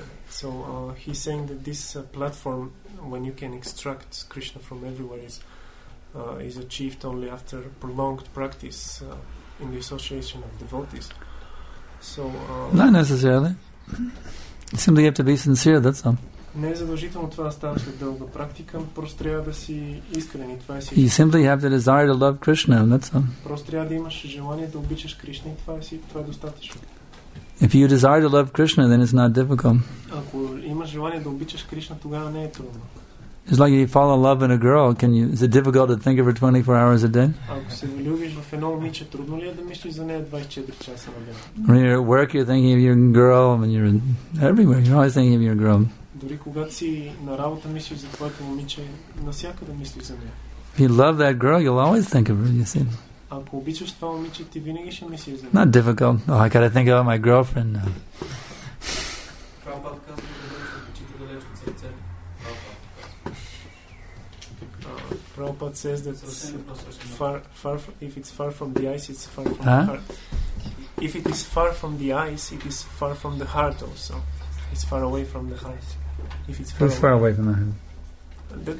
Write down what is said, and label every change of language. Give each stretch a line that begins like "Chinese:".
English: So, he's saying that this platform, when you can extract Krishna from everywhere, is achieved only after prolonged practice in the association of devotees. So, not necessarily. You simply have to be sincere, that's all.
Bulgarian: Не е задължително това да става след дълга практика, просто трябва да си искрен и това е всичко.
English: You simply have the desire to love Krishna, that's all.
Bulgarian: Просто трябва да имаш желание да обичаш Кришна и това е достатъчно.
English: If you desire to love Krishna, then it's not difficult.
Bulgarian: Ако имаш желание да обичаш Кришна, тогава не е трудно.
English: It's like you fall in love in a girl, is it difficult to think of her 24 hours a day?
Bulgarian: Ако се влюбиш в едно момиче, трудно ли е да мислиш за нея 24 часа на ден?
English: When you're at work, you're thinking of your girl, when you're everywhere, you're always thinking of your girl.
Bulgarian: Дори когато си на работа мислиш за твоето момиче, навсякъде мислиш за нея.
English: If you love that girl, you'll always think of her, you see.
Bulgarian: Ако обичаш това момиче, ти винаги ще мислиш за нея.
English: Not difficult. Oh, I gotta think about my girlfriend now.
Bulgarian: Прабхупада казва, че обичите далеч от сърце. Прабхупада казва.
English: Prabhupada says that if it's far from the eyes, it's far from the heart. If it is far from the eyes, it is far from the heart also. It's far away from the heart. If it's far, far away from the heart?